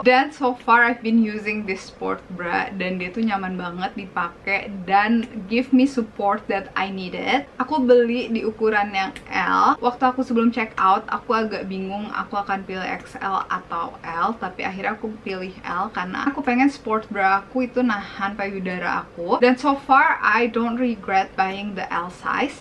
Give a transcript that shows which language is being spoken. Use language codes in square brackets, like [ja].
[en] Dan so far I've been using this sport bra [id] dan dia tuh nyaman banget dipakai dan [en] give me support that I need it. [id] Aku beli di ukuran yang L. Waktu aku sebelum check out, aku agak bingung aku akan pilih XL atau L. Tapi akhirnya aku pilih L karena aku pengen sport bra aku itu nahan payudara aku. [en] Dan so far, I don't regret buying the L size.